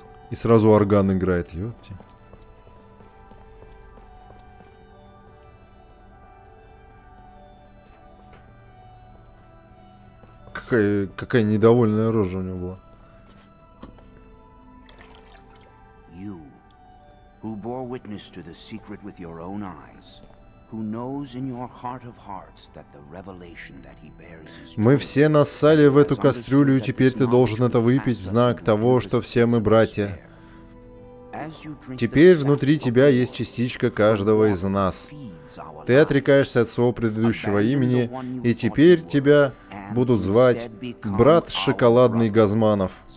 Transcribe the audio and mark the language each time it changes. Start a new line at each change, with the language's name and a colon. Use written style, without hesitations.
Russian: И сразу орган играет, ёпти. Какая недовольная рожа у него была.
English: You, who bore witness to the secret with your own eyes, who knows in your heart of hearts that the revelation that he bears is true.
Russian: Мы все нассали в эту кастрюлю, и теперь ты должен это выпить в знак того, что все мы братья. Теперь внутри тебя есть частичка каждого из нас. Ты отрекаешься от своего предыдущего имени, и теперь тебя будут звать брат Шоколадный Газманов.